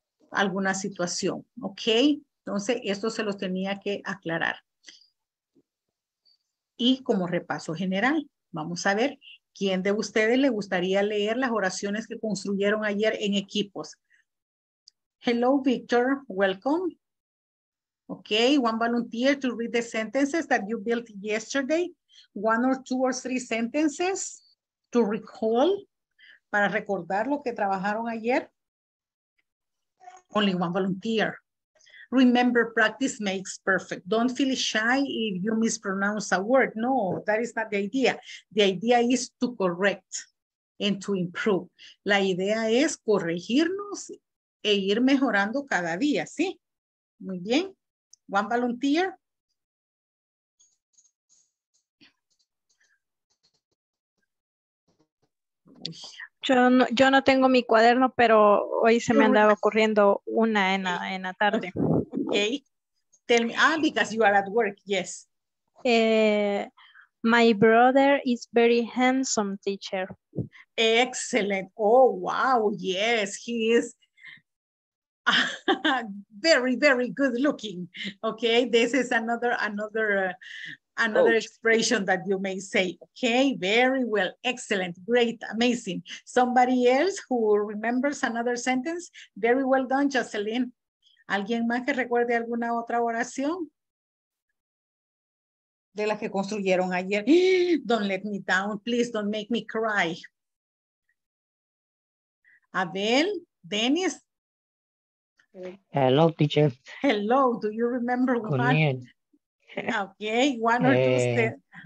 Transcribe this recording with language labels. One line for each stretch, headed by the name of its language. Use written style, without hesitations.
Spanish: Alguna situación, ¿ok? Entonces, esto se los tenía que aclarar. Y como repaso general, vamos a ver quién de ustedes le gustaría leer las oraciones que construyeron ayer en equipos.
English: Hello, Victor. Welcome. Okay, one volunteer to read the sentences that you built yesterday. One or two or three sentences to recall, para recordar lo que trabajaron ayer. Only one volunteer. Remember, practice makes perfect. Don't feel shy if you mispronounce a word. No, that is not the idea. The idea is to correct and to improve.
Spanish: La idea es corregirnos e ir mejorando cada día, ¿sí?
English: Muy bien. One volunteer.
Spanish: Yo no tengo mi cuaderno, pero hoy se me andaba ocurriendo una en la tarde.
English: Okay. Tell me. Ah, because you are at work, yes. My brother is very handsome, teacher. Excellent. Oh, wow. Yes, he is. Very, very good looking. Okay, this is another expression that you may say. Okay, very well, excellent, great, amazing. Somebody else who remembers another sentence? Very well done, Jocelyn.
Spanish: ¿Alguien más que recuerde alguna otra oración de las que construyeron ayer?
English: Don't let me down, please don't make me cry. Abel, Dennis. Hello, teacher. Hello, do you remember one? Okay, one or two steps.